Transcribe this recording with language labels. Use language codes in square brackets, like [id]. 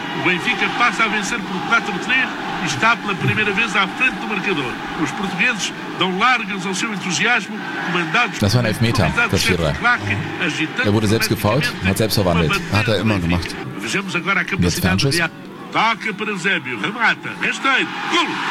[pt] O Benfica passa a vencer por 4-3 e está pela primeira vez à frente do marcador. Os portugueses dão largas ao seu entusiasmo, comandados por um [de] Elfmeter, das Vierer. Er wurde selbst gefault, hat selbst verwandelt. Hat immer gemacht. [pt] Vejamos agora a capacidade de toca para Eusébio, remata, restante, gol!